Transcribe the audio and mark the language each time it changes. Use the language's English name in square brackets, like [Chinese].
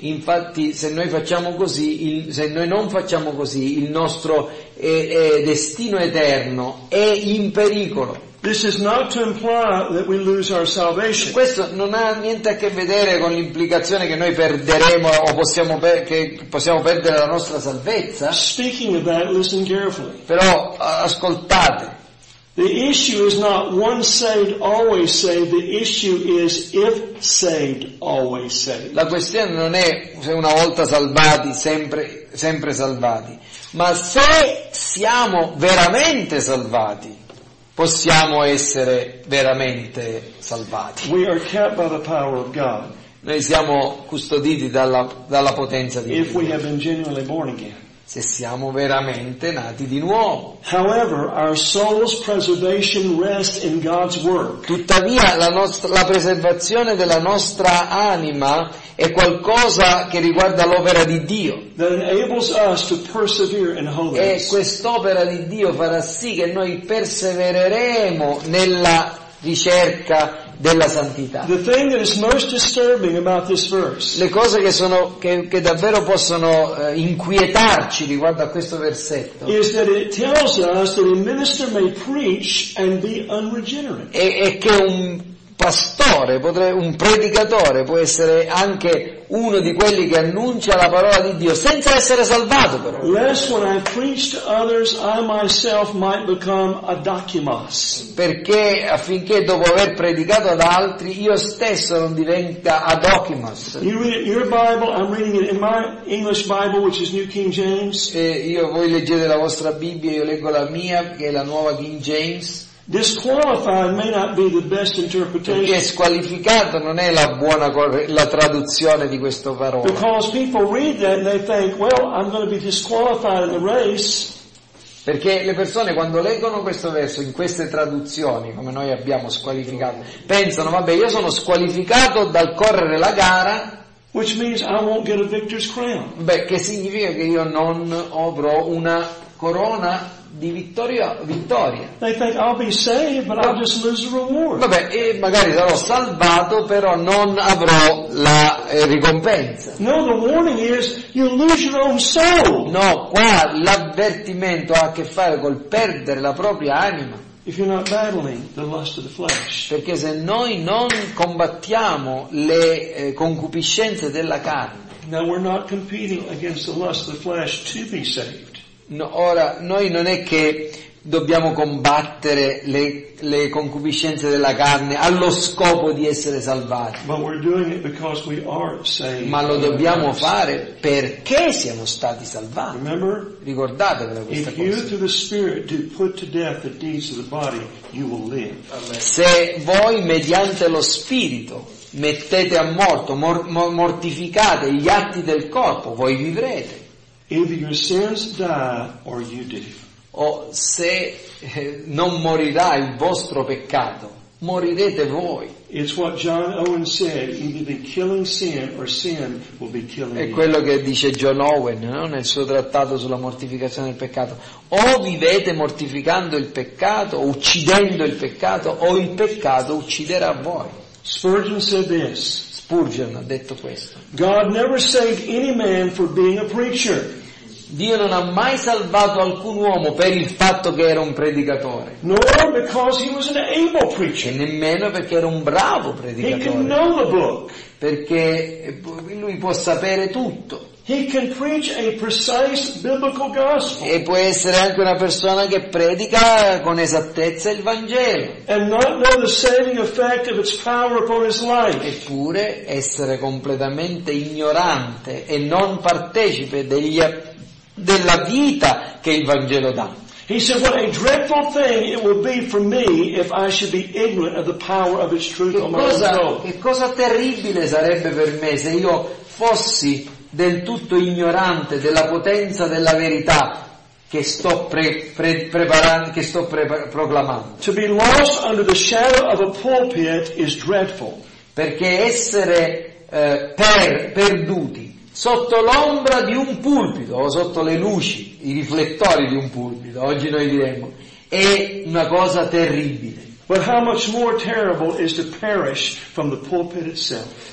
[Italian] Infatti, se noi non facciamo così, il nostro destino eterno è in pericolo. [English] This is not to imply that we lose our salvation. [Italian] Questo non ha niente a che vedere con l'implicazione che noi perderemo o possiamo perdere la nostra salvezza. [English] Speaking of that, listen carefully. [Italian] Però ascoltate. [English] The issue is not once saved, always saved. The issue is if saved, always saved. [Italian] La questione non è se una volta salvati, sempre salvati, ma se siamo veramente salvati. Possiamo essere veramente salvati. [English] We are kept by the power of God. [Italian] Noi siamo custoditi dalla potenza di Dio. [English] If we have been genuinely born again. [Italian] Se siamo veramente nati di nuovo. [English] However, our soul's preservation rests in God's work. [Italian] Tuttavia, la preservazione della nostra anima è qualcosa che riguarda l'opera di Dio. [English] That enables us to persevere in holiness. [Italian] E quest'opera di Dio farà sì che noi persevereremo nella ricerca della santità. [English] The thing that is most disturbing about this verse. [Italian] Le cose che davvero possono inquietarci riguardo a questo versetto. [English] Is that it tells us that a minister may preach and be unregenerate. [Italian] È che un predicatore può essere anche uno di quelli che annuncia la parola di Dio senza essere salvato però. [English] Lest when I preach to others I myself might become a docimas. [Italian] Perché affinché dopo aver predicato ad altri io stesso non diventa a docimas. [English] You read it in your Bible, I'm reading it in my English Bible which is New King James. [Italian] E io, voi leggete la vostra Bibbia, io leggo la mia che è la nuova King James. [English] Disqualified may not be the best interpretation. [Italian] Perché squalificato non è la buona traduzione di questo parola. [English] Because people read that and they think, well, I'm going to be disqualified in the race. [Italian] Perché le persone quando leggono questo verso in queste traduzioni, come noi abbiamo squalificato, pensano, vabbè, io sono squalificato dal correre la gara. [English] Which means I won't get a victor's crown. [Italian] Beh, che significa che io non avrò una corona di vittoria. [English] They think I'll be saved, but I'll just lose the reward. [Italian] Vabbè, e magari sarò salvato, però non avrò la ricompensa. [English] No, the warning is you lose your own soul. [Italian] No, qua l'avvertimento ha a che fare col perdere la propria anima. [English] If you're not battling the lust of the flesh. [Italian] Perché se noi non combattiamo le concupiscenze della carne. [English] Now we're not competing against the lust of the flesh to be saved. [Italian] No, ora noi non è che dobbiamo combattere le concupiscenze della carne allo scopo di essere salvati. [English] But we're doing it because we are saved. [Italian] Ma lo dobbiamo fare perché siamo stati salvati. Ricordatevela questa cosa. [English] If you through the Spirit do put to death the deeds of the body, you will live. [Italian] Se voi mediante lo Spirito mettete a morto, mortificate gli atti del corpo, voi vivrete. [English] Either your sins die or you do. [Italian] O se non morirà il vostro peccato, morirete voi. [English] It's what John Owen said, either the killing sin or sin will be killing you. [Italian] È quello che dice John Owen, no? Nel suo trattato sulla mortificazione del peccato. O vivete mortificando il peccato, uccidendo il peccato, o il peccato ucciderà voi. [English] Spurgeon said this. [Italian] Spurgeon ha detto questo. [English] God never saved any man for being a preacher. [Italian] Dio non ha mai salvato alcun uomo per il fatto che era un predicatore. [English] Nor because he was an able preacher. [Italian] E nemmeno perché era un bravo predicatore. [English] He can know the book. [Italian] Perché lui può sapere tutto. [English] He can preach a precise biblical gospel. [Italian] E può essere anche una persona che predica con esattezza il Vangelo. [English] And not know the saving effect of its power upon his life. [Italian] Eppure essere completamente ignorante e non partecipe della vita che il Vangelo dà. [English] He said, "What a dreadful thing it would be for me if I should be ignorant of the power of its truth on my own soul." [Italian] Che cosa terribile sarebbe per me se io fossi del tutto ignorante della potenza della verità che sto preparando, che sto proclamando. [English] To be lost under the shadow of a pulpit is dreadful. [Italian] Perché essere perduti sotto l'ombra di un pulpito o sotto le luci, i riflettori di un pulpito, oggi noi diremmo, è una cosa terribile. [English] But how much more terrible is to perish from the pulpit itself?